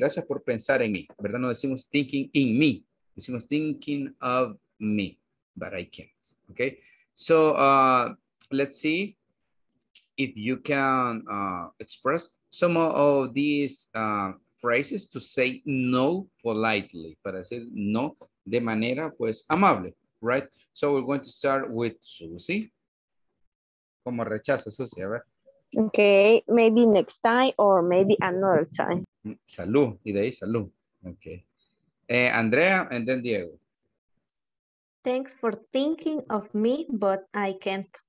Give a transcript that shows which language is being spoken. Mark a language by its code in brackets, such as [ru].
[es] Gracias por pensar en mí. ¿Verdad? No decimos [en] thinking in me. [es] Decimos [en] thinking of me, but I can't. Okay. So let's see if you can express some of these phrases to say no politely. [es] Para decir no de manera pues amable, right? [en] So we're going to start with Susie. [es] Como rechaza, Susie, a ver. [en] Okay, maybe next time or maybe another time. [es] Salud, y de ahí salud. Okay. Andrea, and then Diego. [en] Thanks for thinking of me, but I can't.